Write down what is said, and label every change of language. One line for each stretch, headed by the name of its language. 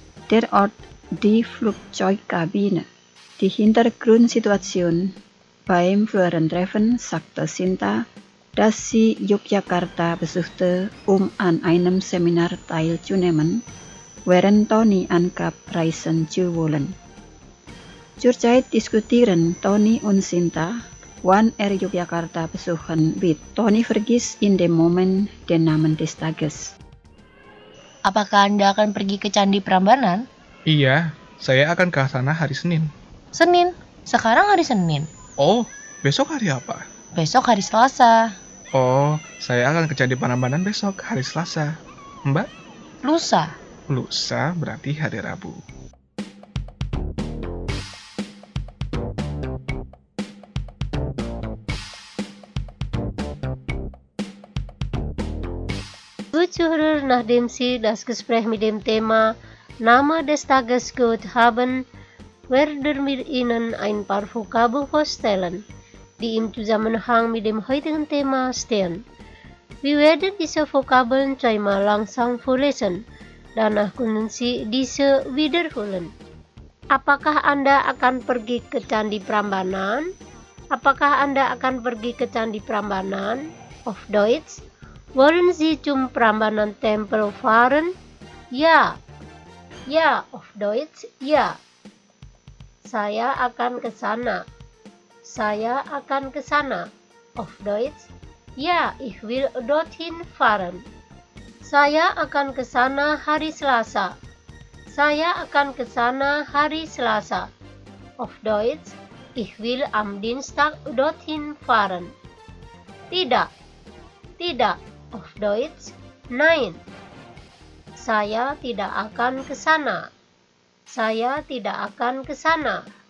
German: der Ort die Flugzeugkabine. Die Hintergrundsituation beim früheren Treffen sagte Sinta, dass sie Yogyakarta besuchte, um an einem Seminar teilzunehmen, während Tony angab, reisen zu wollen. Zurzeit diskutieren Tony und Sinta, wann er Yogyakarta besuchen wird. Tony vergisst in dem Moment den Namen des Tages.
Indonesian: Apakah Anda akan pergi ke Candi Prambanan? Iya, saya akan ke sana hari Senin. Senin? Sekarang hari Senin? Oh, besok hari apa? Besok hari Selasa. Oh, saya akan ke Candi Prambanan besok hari Selasa. Mbak? Lusa. Lusa berarti hari Rabu.
German: Zuhrer nachdem sie das Gespräch mit dem Thema Name des Tages gehört haben, werden wir Ihnen ein paar Vokabeln vorstellen, die im Zusammenhang mit dem heutigen Thema stehen. Wir werden diese Vokabeln zweimal langsam vorlesen, danach können Sie diese wiederholen.
Indonesian: Apakah Anda akan pergi ke Candi Prambanan? Apakah Anda akan pergi ke Candi Prambanan?
German: Auf Deutsch? Wollen Sie zum Prambanan Tempel fahren? Ja. Ja, auf Deutsch, ja.
Indonesian: Saya akan ke sana. Saya akan ke sana.
German: Auf Deutsch, ja, ich will dorthin fahren.
Indonesian: Saya akan ke sana hari Selasa. Saya akan ke sana hari Selasa.
German: Auf Deutsch, ich will am Dienstag dorthin fahren.
Indonesian: Tidak. Tidak.
German: Auf Deutsch, nein.
Indonesian: Saya tidak akan ke sana. Saya tidak akan ke sana.